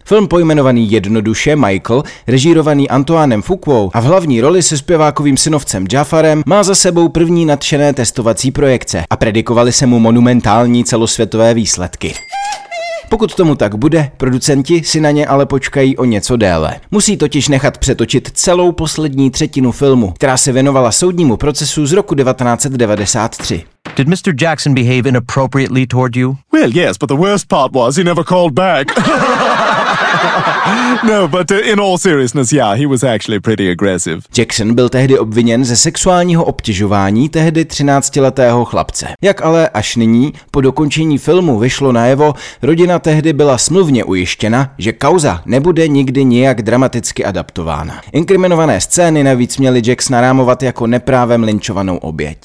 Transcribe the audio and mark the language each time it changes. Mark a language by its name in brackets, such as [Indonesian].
[Czech] Film pojmenovaný jednoduše Michael, režírovaný Antoinem Fuquou a v hlavní roli se zpěvákovým synovcem Jafarem, má za sebou první nadšené testovací projekce a predikovaly se mu monumentální celosvětové výsledky. Pokud tomu tak bude, producenti si na ně ale počkají o něco déle. Musí totiž nechat přetočit celou poslední třetinu filmu, která se věnovala soudnímu procesu z roku 1993. [English] Did Mr. Jackson behave inappropriately toward you? Well, yes, but the worst part was he never called back. No, but in all seriousness, yeah, he was actually pretty aggressive. [Czech] Jackson byl tehdy obviněn ze sexuálního obtěžování tehdy 13-letého chlapce. Jak ale až nyní, po dokončení filmu, vyšlo najevo, rodina tehdy byla smluvně ujištěna, že kauza nebude nikdy nijak dramaticky adaptována. Inkriminované scény navíc měly Jacksona rámovat jako neprávem linčovanou oběť.